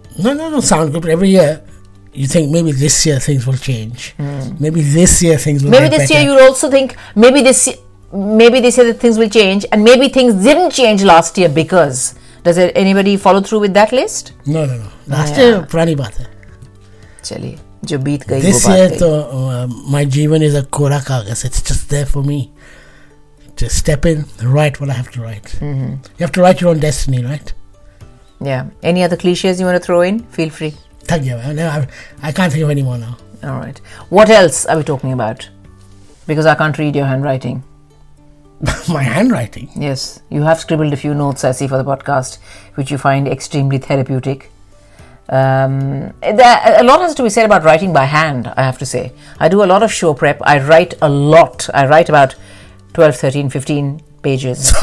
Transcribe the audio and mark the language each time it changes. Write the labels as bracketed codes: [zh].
[en] No, sound good, but every year you think maybe this year things will change. Maybe this year things will change. Maybe this year you'll also think maybe this year that things will change, and maybe things didn't change last year because. Does anybody follow through with that list? No. Last year, [hi] prani baat hai. Chaliye. जो बीत गई [en] this year तो my जीवन is a [hi] कोरा कागज [en] It's just there for me to step in right what I have to write you have to write your own destiny right या any other clichés you want to throw in feel free thank you I can't think of any more now alright what else are we talking about because I can't read your handwriting My handwriting? Yes, you have scribbled a few notes, I see, for the podcast, which you find extremely therapeutic. A lot has to be said about writing by hand, I have to say. I do a lot of show prep. I write a lot. I write about 12, 13, 15 pages.